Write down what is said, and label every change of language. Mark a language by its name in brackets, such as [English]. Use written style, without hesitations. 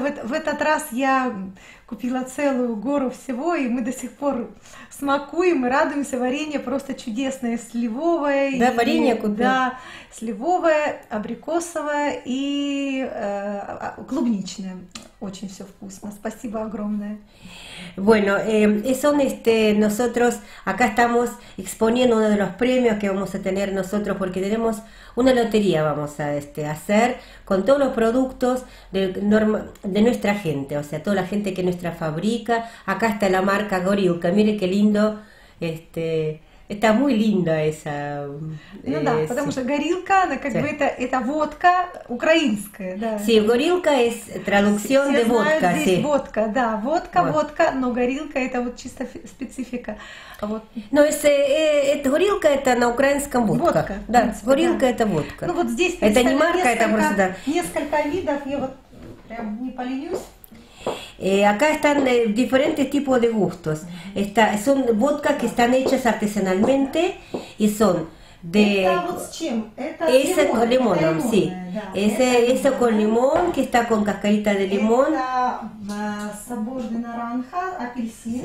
[Russian] В этот раз я купила целую гору всего, и мы до сих пор смакуем и радуемся. Варенье просто чудесное, сливовое. Да, варенье купила. Да, сливовое, абрикосовое и клубничное. Очень все вкусно. Спасибо огромное. [Spanish] Bueno, son nosotros, acá estamos exponiendo uno de los premios que vamos a tener nosotros, porque tenemos una lotería vamos a hacer con todos los productos de nuestra gente, o sea, toda la gente que nuestra fabrica. Acá está la marca Gorilka, mire qué lindo, está muy linda esa... [Russian] потому что Gorilka, она как бы это водка украинская, да. [Spanish] Sí, Gorilka es traducción de vodka, sí. [Russian] Здесь водка, да, водка, водка, но Gorilka это вот чисто специфика. Но это горилка, это на украинском водка. Да, горилка это водка. Ну вот здесь это не марка, это просто да. Несколько видов, я вот прям не поленюсь. [Spanish] Acá están diferentes tipos de gustos. Son водкas que están hechas artesanalmente y son de. [Russian] Это вот с чем? Это с лимоном, [Spanish] sí. [Russian] Это [Spanish] con limón que está con cascarita de limón. [Russian] Это сабожный наранха, апельсин.